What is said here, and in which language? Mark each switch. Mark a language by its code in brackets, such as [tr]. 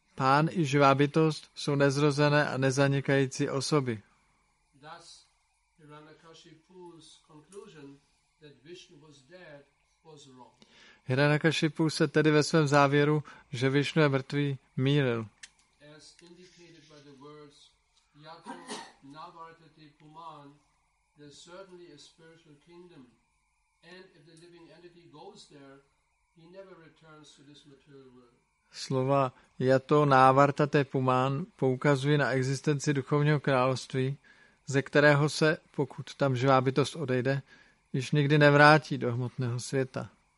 [cs] Pán i živá bytost jsou nezrozené a nezanikající osoby. [en] Thus, Hiranyakashipu's conclusion that Vishnu was dead was wrong. [cs] Hiranyakashipu se tedy ve svém závěru, že Vishnu je mrtvý, mýlil. [en] As indicated by the words Yato Navartati Puman, there's certainly a spiritual kingdom, and if the living entity goes there, he never returns to this material world. [cs] Slova Yato Navartate Puman poukazují na existenci duchovního království, ze kterého se, pokud tam živá bytost odejde, již nikdy nevrátí do hmotného světa.